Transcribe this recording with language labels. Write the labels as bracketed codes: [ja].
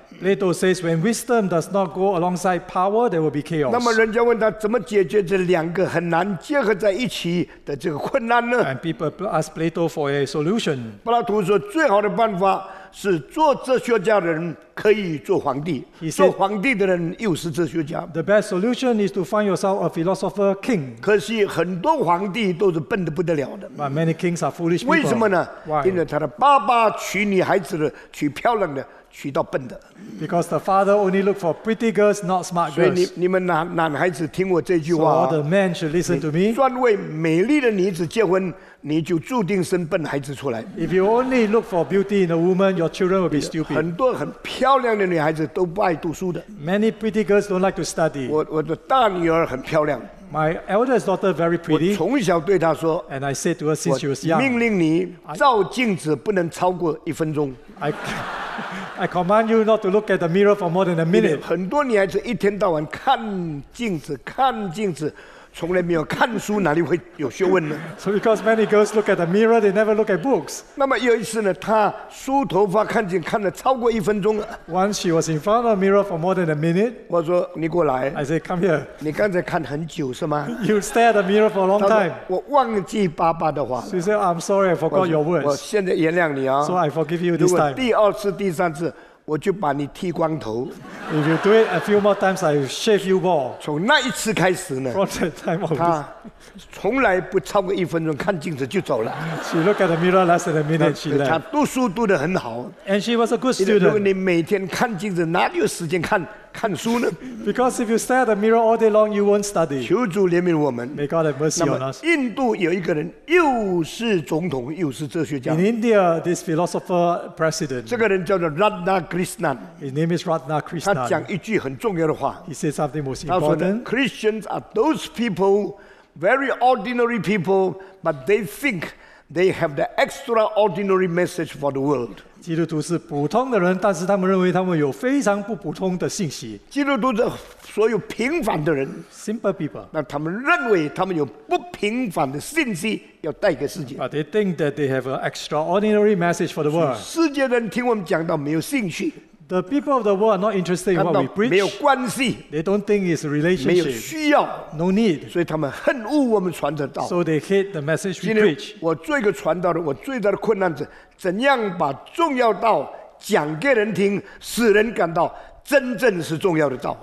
[en] Plato says when wisdom does not go alongside power, there will be chaos. [zh] 那么人家问他怎么解决这两个很难结合在一起的这个困难呢？ [en] And people ask Plato for a solution. [zh] 柏拉图说最好的办法是做哲学家的人可以做皇帝。 [en] He said, [zh] 做皇帝的人又是哲学家。 [en] The best solution is to find yourself a philosopher king. [zh] 可惜很多皇帝都是笨得不得了的。 [en] But many kings are foolish people. [zh] 为什么呢？ [en] Why? [zh] 因为他的爸爸娶女孩子的，娶漂亮的。娶到笨的。 [en] Because the father only looked for pretty girls, not smart girls. [zh] 所以你们男孩子听我这句话。 [en] So all the men should listen to me. [zh] 专为美丽的女子结婚，你就注定生笨孩子出来。 [en] If you only look for beauty in a woman, your children will be stupid. [zh] 很多很漂亮的女孩子都不爱读书的。 [en] Many pretty girls don't like to study. [zh] 我的大女儿很漂亮。 [en] My eldest daughter is very pretty. [zh] 我从小对她说。 [en] And I said to her since she was young. [zh] 我命令你照镜子不能超过一分钟。 [en] I command you not to look at the mirror for more than a minute. [zh] 很多女孩子一天到晚看镜子，看镜子。从来没有看书，哪里会有学问呢？ [en] So because many girls look at the mirror, they never look at books. [zh] 那么有一次呢，她梳头发看见看了超过一分钟了。 [en] Once she was in front of the mirror for more than a minute. [zh] 我说你过来。 [en] I said come here. [zh] 你刚才看很久是吗？ [en] You stare at the mirror for a long time. [zh] 我忘记爸爸的话。 [en] She said I'm sorry, I forgot your words. [zh] 我现在原谅你啊。 [en] So I forgive you this time. [zh] 如果第二次、第三次。我就把你剃光头。 [en] If you do it a few more times, I shave you bald. [zh] 从那一次开始呢 [en] ，From that time on, [zh] 他从来不超过一分钟看镜子就走了。 [en] She looked at the mirror less than a minute. She left. [zh] 他读书读得很好。 [en] And she was a good student. [zh] 如果你每天看镜子，哪里有时间看书呢 [en] ？Because if you stare at the mirror all day long, you won't study. [zh] 求主怜悯我们。 [en] May God have mercy on us. [zh] 印度有一个人，又是总统，又是哲学家。 [en] In India, this philosopher president. [zh] 这个人叫做 Radhakrishnan. [en] His name is Radhakrishnan. [zh] 他讲一句很重要的话。 [en] He said something most important. [zh] 他说 [en] ，Christians are those people, very ordinary people, but they think they have the extraordinary message for the world. [zh] 基督徒是普通的人，但是他们认为他们有非常不普通的信息。基督徒的所有平凡的人 [en] ，simple people， [zh] 那他们认为他们有不平凡的信息要带给世界。 [en] But they think that they have an extraordinary message for the world. [zh] 世界人听我们讲到没有兴趣。 [en] The people of the world are not interested in what we preach. [zh] 没有关系。 [en] They don't think it's a relationship. [zh] 没有需要。 [en] No need. [zh] 所以他们恨恶我们传的道。 [en] So they hate the message we preach. [zh] 我做一个传道的，我最大的困难是怎样把重要道讲给人听，使人感到真正是重要的道。